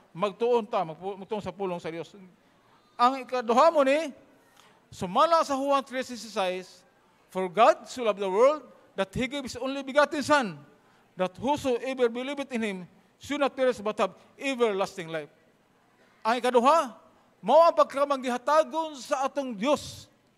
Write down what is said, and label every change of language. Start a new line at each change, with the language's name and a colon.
Cebuano: Magtuon ta, magtuon sa pulong sa Diyos. Ang ikaduha mo ni, sumala sa Juan 3:16,
English: for God so loved the world that He gave His only begotten Son, that whosoever believeth in Him should not perish but have everlasting life.
Cebuano: Ang ikaduha, mao ang pagkamanggihatagon sa atong Diyos.